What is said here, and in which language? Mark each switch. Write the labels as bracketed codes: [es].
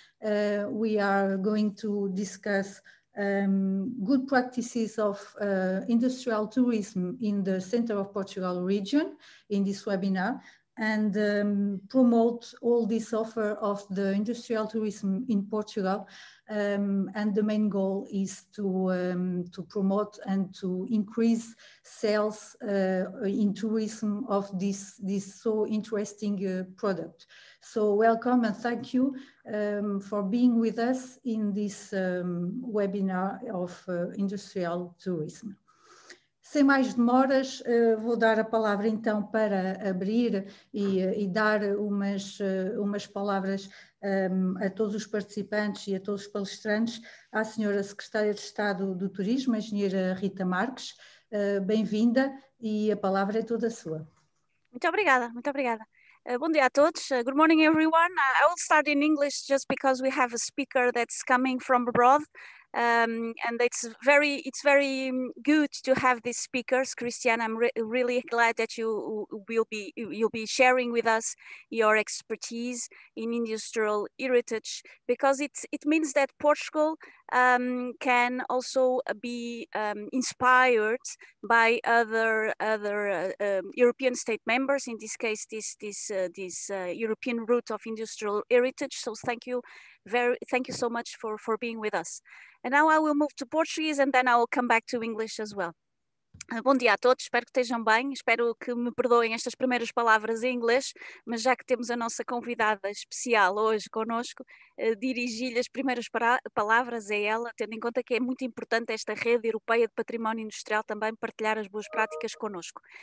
[en] We are going to discuss good practices of industrial tourism in the center of Portugal region in this webinar, and promote all this offer of the industrial tourism in Portugal, and the main goal is to promote and to increase sales in tourism of this so interesting product. So welcome and thank you for being with us in this webinar of industrial tourism. [pt] Sem mais demoras, vou dar a palavra então para abrir e dar umas palavras a todos os participantes e a todos os palestrantes, à senhora Secretária de Estado do Turismo, a engenheira Rita Marques. Bem-vinda e a palavra é toda sua. Muito obrigada, muito obrigada. Bom dia a todos. [en] Good morning, everyone. I will start in English just because we have a speaker that's coming from abroad. And it's very good to have these speakers. Christiane, I'm really glad that you'll be sharing with us your expertise in industrial heritage, because it means that Portugal can also be inspired by other European state members, in this case this European route of industrial heritage. So thank you so much for being with us. And now I will move to Portuguese and then I will come back to English as well. [pt] Bom dia a todos, espero que estejam bem, espero que me perdoem estas primeiras palavras em inglês, mas já que temos a nossa convidada especial hoje connosco, dirigi-lhe as primeiras palavras a ela, tendo em conta que é muito importante esta rede europeia de património industrial também partilhar as boas práticas connosco.